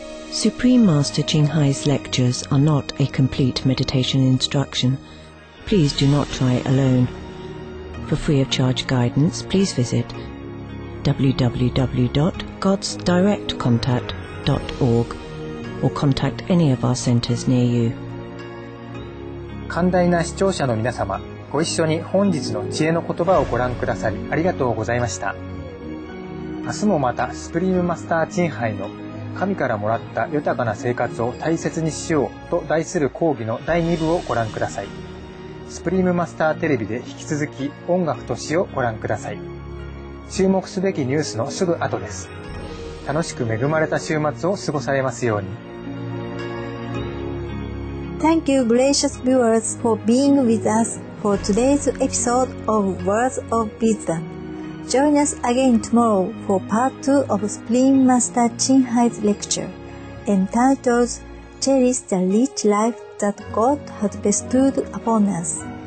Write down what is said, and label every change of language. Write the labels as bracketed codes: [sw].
[en] Supreme Master Qinghai's lectures are not a complete meditation instruction. Please do not try it alone. For free of charge guidance, please visit www.godsdirectcontact.org or contact any of our centers near you. [ja] 寛大な視聴者の皆様、ご一緒に本日の知恵の言葉をご覧くださりありがとうございました。明日もまた Supreme Master Qinghai の神からもらった豊かな生活を大切にしようと題する講義の第2部をご覧ください。スプリームマスターテレビで引き続き音楽と詩をご覧ください。注目すべきニュースのすぐ後です。楽しく恵まれた週末を過ごされますように。 [en] Thank you gracious viewers for being with us for today's episode of Words of Wisdom. Join us again tomorrow for part 2 of Supreme Master Qinghai's lecture entitled Cherish the Rich Life That God Has Bestowed Upon Us.